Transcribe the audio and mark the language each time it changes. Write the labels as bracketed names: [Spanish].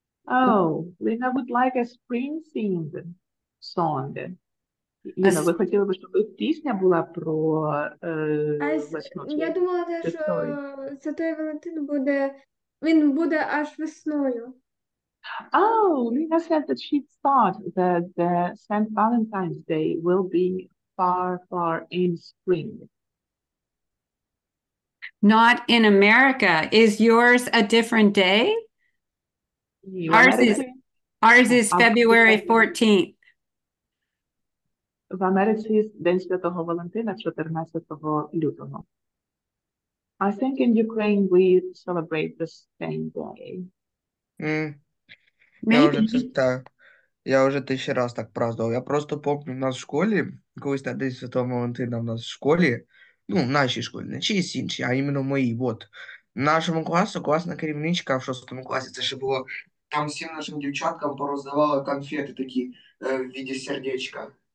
[English] Oh, Lena would like a spring season. Song. [Ukrainian] Ви хотіли б, щоб пісня була про весну? Я думала, що Святий Валентин буде, він буде аж весною. [English] Oh, Lena said that she thought that the St. Valentine's Day will be far, far in spring. Not in America. Is yours a different day? Ours is February 14th. [Ukrainian] В Америці День Святого Валентина 14 лютого. [English] I think in Ukraine we celebrate the same day. [Ukrainian] Я вже тисячі раз так праздновав. Я просто помню, в нас в школі, колись на День Святого Валентина в нас в школі, ну, в нашій школі, не чиїсь інші, а іменно мої. От. В нашому класу класна керівничка в 6 класі, це ще було, там всім нашим дівчаткам пороздавали конфети такі в виді сердечка.